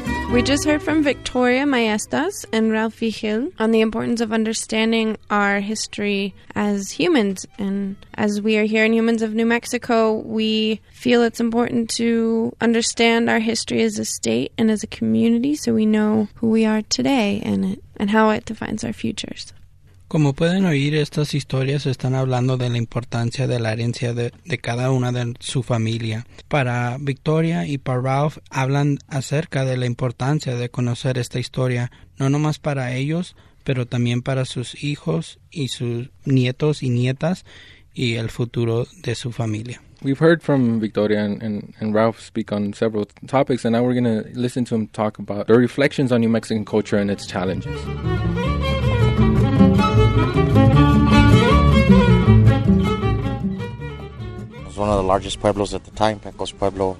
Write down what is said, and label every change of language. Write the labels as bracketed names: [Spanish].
[English] We just heard from Victoria Maestas and Ralph Vigil on the importance of understanding our history as humans. And as we are here in Humans of New Mexico, we feel it's important to understand our history as a state and as a community so we know who we are today and how it defines our futures. [Spanish] Como pueden oír, estas historias están hablando de la importancia de la herencia de cada una de su familia. Para Victoria y para Ralph, hablan acerca de la importancia de conocer esta historia, no nomás para ellos, pero también para sus hijos y sus nietos y nietas y el futuro de su familia. [English] We've heard from Victoria and Ralph speak on several topics, and now we're going to listen to him talk about the reflections on New Mexican culture and its challenges. It was one of the largest pueblos at the time, Pecos Pueblo.